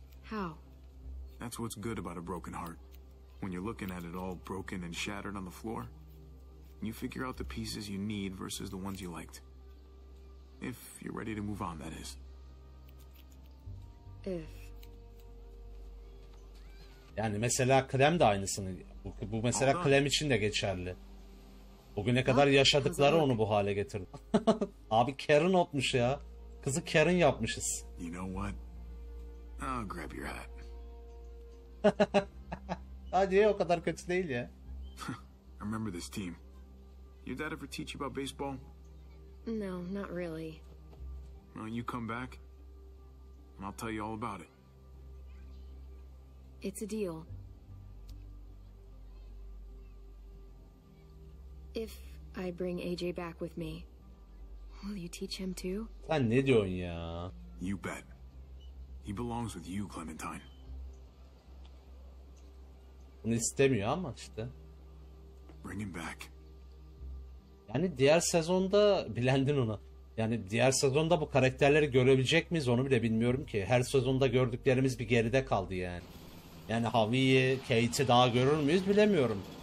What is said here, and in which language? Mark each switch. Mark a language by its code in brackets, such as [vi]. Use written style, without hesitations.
[en] How? That's what's good about a broken heart. When you're looking at it all broken and shattered on the floor, you figure out the pieces you need versus the ones you liked. If you're ready to move on, that is. If. [tr] Yani mesela Clem de aynısını, bu mesela Clem için de geçerli. Bugüne kadar yaşadıkları onu bu hale getirdi. Abi Karen otmuş ya. Kızı Karen yapmışız. [en] You know what? I'll grab your hat. [tr] Hadi o kadar kötü değil ya. [en] I remember this team. Your dad ever teach you about baseball? No, not really. Well, you come back, and I'll tell you all about it. It's a deal. If I bring AJ back with me, will you teach him too? [tr] Sen ne diyorsun ya? [en] You bet. He belongs with you, Clementine. [tr] Bunu istemiyor ama işte. [en] Bring him back. [tr] Yani diğer sezonda bilendin onu. Yani diğer sezonda bu karakterleri görebilecek miyiz onu bile bilmiyorum ki. Her sezonda gördüklerimiz bir geride kaldı yani. Yani Javi'yi, Kate'i daha görür müyüz bilemiyorum.